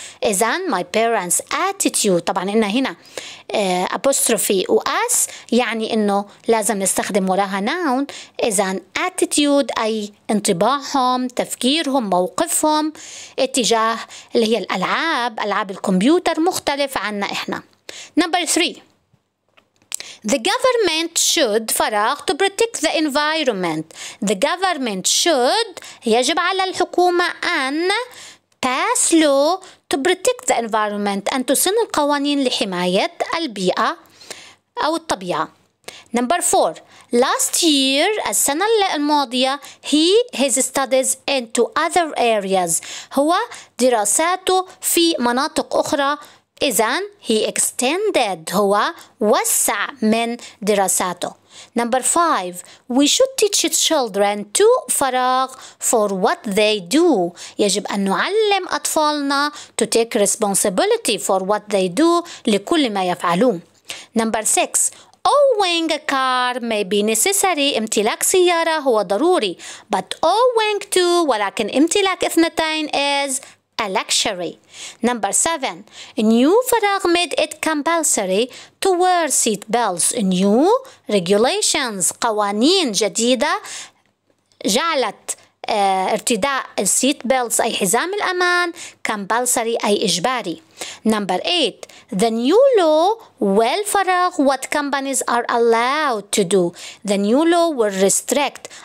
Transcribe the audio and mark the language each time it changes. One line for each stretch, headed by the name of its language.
Arabic: إذن
English: my parents' attitude
Arabic: طبعا إن هنا apostrophe وأس يعني إنه لازم نستخدم وراها noun. إذن attitude أي انطباعهم تفكيرهم موقفهم اتجاه اللي هي الألعاب ألعاب الكمبيوتر مختلف عنا إحنا.
English: Number three, the government should فراغ to protect the environment. The government should
Arabic: يجب على الحكومة أن
English: pass law to protect the environment
Arabic: أن تسن القوانين لحماية البيئة أو الطبيعة.
English: Number four, last year
Arabic: السنة الماضية
English: his studies into other areas
Arabic: هو دراساته في مناطق أخرى. إذن
English: he extended
Arabic: هو وسع من دراساته.
English: Number five, we should teach children to فراغ for what they do.
Arabic: يجب أن نعلم أطفالنا
English: to take responsibility for what they do
Arabic: لكل ما يفعلون.
English: Number six, owing a car may be necessary.
Arabic: امتلاك سيارة هو ضروري.
English: But owing to,
Arabic: ولكن امتلاك اثنتين
English: is a luxury. Number 7. New فراغ made it compulsory to wear seat belts. New regulations.
Arabic: قوانين جديدة جعلت ارتداء السيت بيلتس أي حزام الأمان compulsory أي إجباري.
English: Number 8. The new law will فرغ what companies are allowed to do. The new law will restrict.